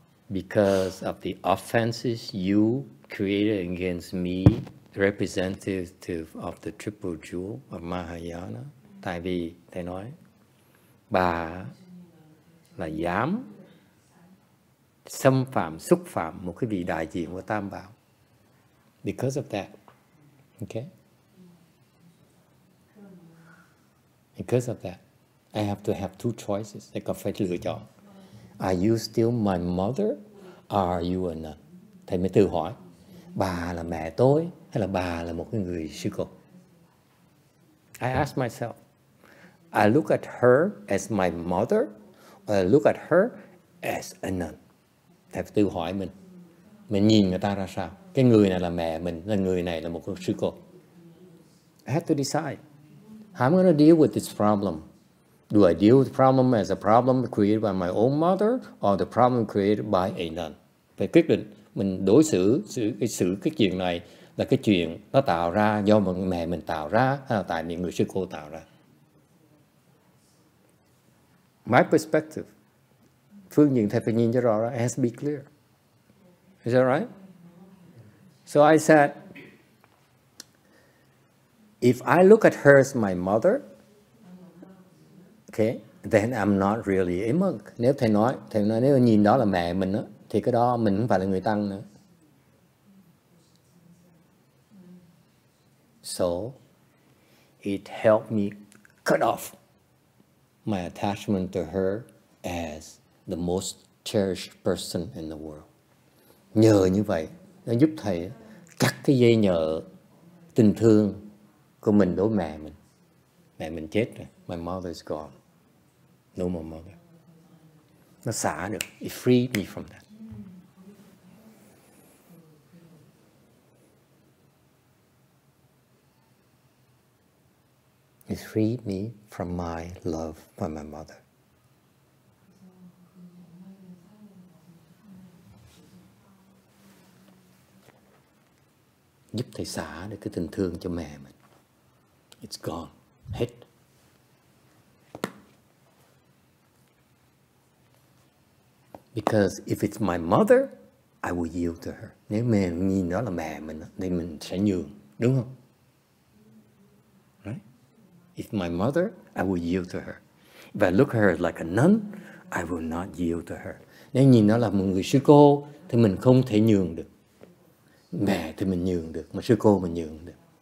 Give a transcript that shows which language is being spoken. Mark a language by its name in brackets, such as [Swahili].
[English] because of the offenses you created against me, representative of the triple jewel of Mahayana. [Vietnamese] Tại vì thầy nói, bà là dám xâm phạm, xúc phạm một cái vị đại diện của Tam Bảo. [English] Because of that, okay? Because of that, I have to have two choices. [Vietnamese] I có phải lựa chọn. [English] Are you still my mother? Are you a nun? [Vietnamese] Thầy mới tự hỏi. Bà là mẹ tôi hay là bà là một cái người sư cô? [English] I ask myself. I look at her as my mother or I look at her as a nun? [Vietnamese] Thầy phải tự hỏi mình. Mình nhìn người ta ra sao? Cái người này là mẹ mình, là người này là một cái sư cô. [English] I have to decide. How am I going to deal with this problem? Do I deal with the problem as a problem created by my own mother or the problem created by a nun? [Vietnamese] Phải quyết định mình đối xử, xử cái chuyện này là cái chuyện nó tạo ra do mẹ mình tạo ra hay là tại miệng người sư cô tạo ra. [English] My perspective, [Vietnamese] phương diện thầy phải nhìn cho rõ ra, [English] it has to be clear. Is that right? So I said, if I look at her as my mother, okay, then I'm not really a monk. [Vietnamese] Nếu thầy nói, nếu nhìn đó là mẹ mình á, thì cái đó mình không phải là người tăng nữa. [English] So, it helped me cut off my attachment to her as the most cherished person in the world. [Vietnamese] Nhờ như vậy, nó giúp thầy cắt cái dây nhờ tình thương của mình đối mẹ mình. Mẹ mình chết rồi. [English] My mother is gone. No more mother. [Vietnamese] Nó xả được. [English] It freed me from that. It freed me from my love for my mother. [Vietnamese] Giúp thầy xả được cái tình thương cho mẹ mình. [English] It's gone. [Vietnamese] Hết. [English] Because if it's my mother, I will yield to her. [Vietnamese] Nếu mình nhìn đó là mẹ mình, thì mình sẽ nhường. Đúng không? [English] Right? If my mother, I will yield to her. If I look at her like a nun, I will not yield to her. [Vietnamese] Nếu nhìn nó là một người sư cô, thì mình không thể nhường được. Mẹ thì mình nhường được, mà sư cô mình nhường được.